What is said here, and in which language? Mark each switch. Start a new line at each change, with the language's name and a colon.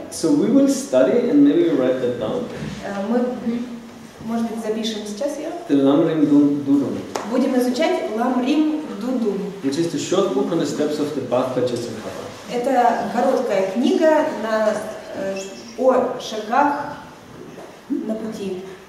English: So we will study and maybe write that down.
Russian: Мы, может быть, запишем сейчас ее.
English: The Lamrim Dudum.
Russian: Будем изучать Lamrim Dudum.
English: Which is the short book on the steps of the path by Chesankapa.
Russian: Это короткая книга на о шагах на пути.